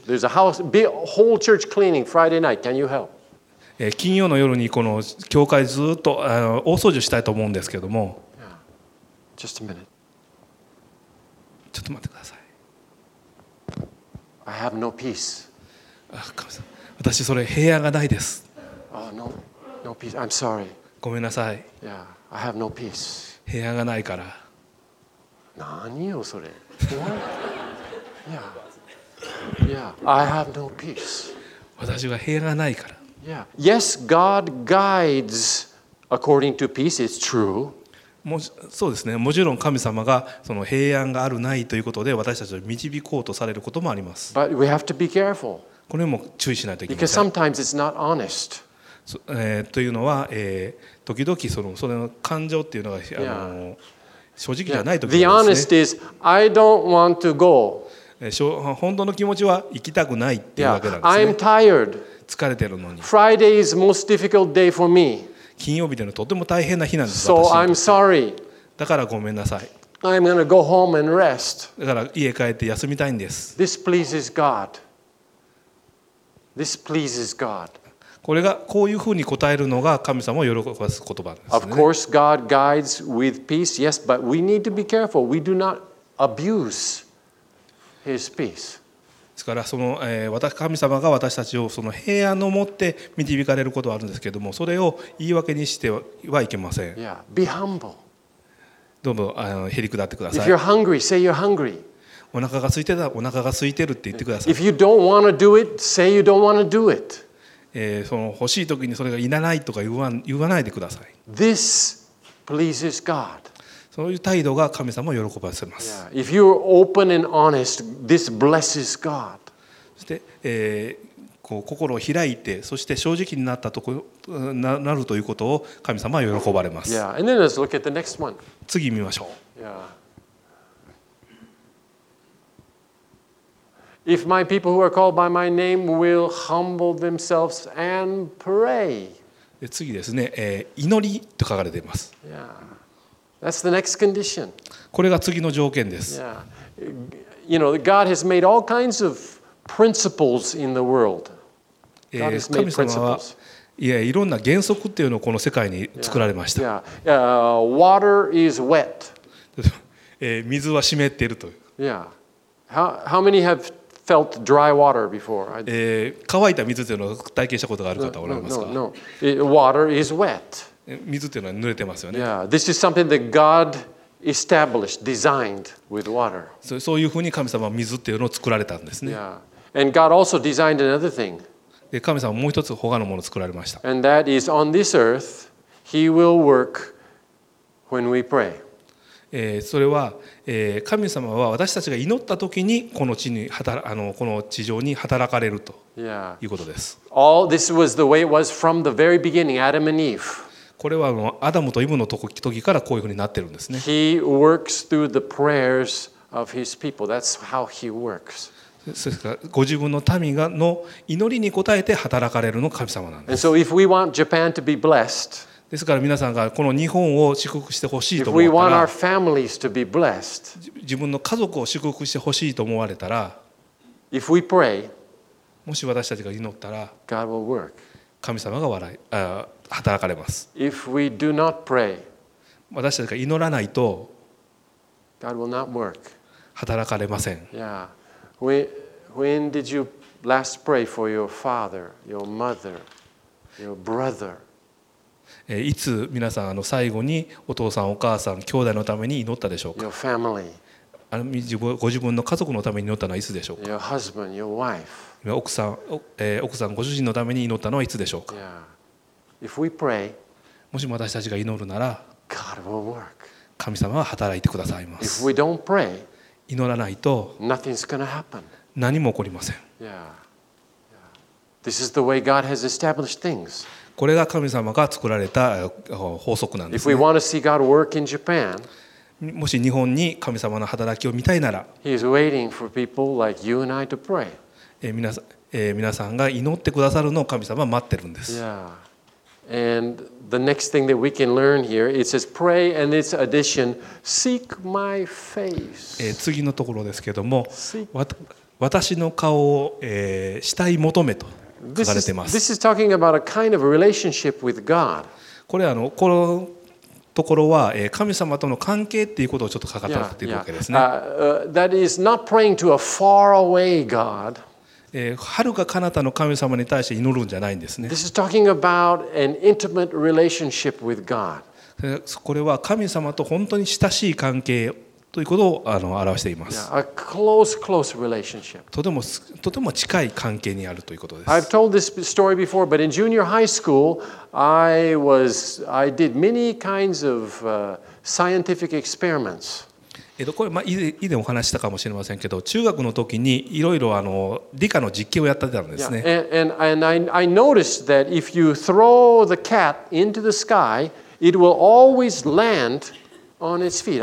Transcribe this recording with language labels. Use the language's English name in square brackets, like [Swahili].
[English] There's a house, big, whole church cleaning Friday night. Can you help? [Japanese] 金曜の夜にこの教会ずっと大掃除したいと思うんですけども。 [English] Just a minute. [Japanese] ちょっと待ってください。 [English] I have no peace. [Japanese] 神様、私それ平安がないです。 [English] Oh, no, no peace. I'm sorry. [Japanese] ごめんなさい。 [English] Yeah, I have no peace. [Japanese] 平安がないから。何よそれ。Yeah, yeah. [English] I have no peace. [Japanese] 私は平安がないから。 [English] Yeah. Yes, God guides according to peace. It's true. [Japanese] そうですね、もちろん神様がその平安があるないということで私たちを導こうとされることもあります。 [English] But we have to be careful. [Japanese] これも注意しないといけません。 [English] Because sometimes it's not honest. [Japanese] というのは、時々その感情っていうのが、yeah. 正直じゃない時ですね。 [English] The honest is, I don't want to go. [Japanese] 本当の気持ちは行きたくないっていうわけなんですね。 [English] yeah. I'm tired. [Japanese] 疲れてるのに。 [English] Friday is most difficult day for me. [Japanese] 金曜日でのとても大変な日なんです [English] 。 So、I'm sorry. [Japanese] だからごめんなさい。 [English] I'm gonna go home and rest. [Japanese] だから家帰って休みたいんです。 [English] This pleases God. This pleases God. [Japanese] これがこういうふうに答えるのが神様を喜ばす言葉ですね。 [English] Of course, God guides with peace. Yes, but we need to be careful. We do not abuse His peace. [Japanese] ですからその神様が私たちをその平安を持って導かれることはあるんですけれども、それを言い訳にしてはいけません。 [English] Yeah, be humble. [Japanese] どうもへりくだってください。 [English] If you're hungry, say you're hungry. [Japanese] お腹が空いてたらお腹が空いてるって言ってください。 [English] If you don't want to do it, say you don't want to do it. [Japanese] その欲しい時にそれがいらないとか言わないでください。 [English] This pleases God. [Japanese] そういう態度が神様を喜ばせます。 [English] Yeah. If you're open and honest, this blesses God. [Japanese] そして、こう心を開いて、そして正直になったところなるということを神様は喜ばれます。 [English] Yeah. And then let's look at the next one. [Japanese] 次見ましょう。 [English] Yeah. If my people who are called by my name will humble themselves and pray. [Japanese] で次ですね、祈りと書かれています。 [English] Yeah. That's the next condition. [Japanese] これが次の条件です。 [English] Yeah. You know, God has made all kinds of principles in the world. God has made principles. [Japanese] いや、いろんな原則っていうのをこの世界に作られました。 [English] Yeah. Yeah. Water is wet. [Japanese] 水は湿っていると。 [English] Yeah. How many have felt dry water before? [Japanese] 乾いた水っていうのを体験したことがある方おられますか？ [English] No. Water is wet. [Japanese] 水っていうのは濡れてますよね。 [English] Yeah, this is something that God established, designed with water. [Japanese] そういうふうに神様は水っていうのを作られたんですね。 [English] Yeah. And God also designed another thing. [Japanese] で、神様はもう一つ他のものを作られました。 [English] And that is on this earth, He will work when we pray. [Japanese] それは、神様は私たちが祈った時にこの地に働この地上に働かれるということです。 [English] Yeah. All this was the way it was from the very beginning, Adam and Eve. [Japanese] これはアダムとイブの時からこういうふうになってるんですね。 [English] He works through the prayers of his people. That's how he works. [Japanese] ですから、ご自分の民の祈りに応えて働かれるの神様なんです。 [English] And so if we want Japan to be blessed, [Japanese] ですから皆さんがこの日本を祝福してほしいと思ったら、 [English] if we want our families to be blessed, [Japanese] 自分の家族を祝福してほしいと思われたら、 [English] if we pray, [Japanese] もし私たちが祈ったら、 [English] God will work. [Japanese] 神様が笑い、あ働かれます。 [English] If we do not pray, [Japanese] 私たちが祈らないと、 [English] God will not work. [Japanese] 働かれません。 [English] Yeah. When did you last pray for your father, your mother, your brother? [Japanese] いつ皆さん最後にお父さんお母さん兄弟のために祈ったでしょうか。 [English] Your family. [Japanese] ご自分の家族のために祈ったのはいつでしょうか。 [English] Your husband, your wife. [Japanese] 奥さんご主人のために祈ったのはいつでしょうか。 [English] Yeah. If we pray, [Japanese] もし私たちが祈るなら、 [English] God will work. [Japanese] 神様は働いてくださいます。 [English] If we don't pray, [Japanese] 祈らないと、 [English] nothing's gonna happen. [Japanese] 何も起こりません。 [English] Yeah. Yeah. This is the way God has established things. [Japanese] これが神様が作られた法則なんですね。 [English] If we want to see God work in Japan, [Japanese] もし日本に神様の働きを見たいなら、 [English] He is waiting for people like you and I to pray. [Japanese] 皆さんが祈ってくださるのを神様は待ってるんです。 [English] Yeah. And the next thing that we can learn here, it says, pray, and its addition, seek my face. [Japanese] 次のところですけれども、私の顔を慕い求めと書かれています。 [English] This is talking about a kind of relationship with God. [Japanese] これこのところは神様との関係っていうことをちょっと書かれているわけですね。 [English] That is not praying to a far away God. [Japanese] はるか彼方の神様に対して祈るんじゃないんですね。 [English] This is talking about an intimate relationship with God. [Japanese] これは神様と本当に親しい関係ということを表しています。 [English] A close, close relationship. [Japanese] とても近い関係にあるということです。 [English] I've told this story before, but in junior high school, I did many kinds of scientific experiments. [Japanese] これ、まあ、以前お話したかもしれませんけど、中学の時にいろいろ理科の実験をやってたんですね。 [English] And I noticed that if you throw the cat into the sky, it will always land on its feet.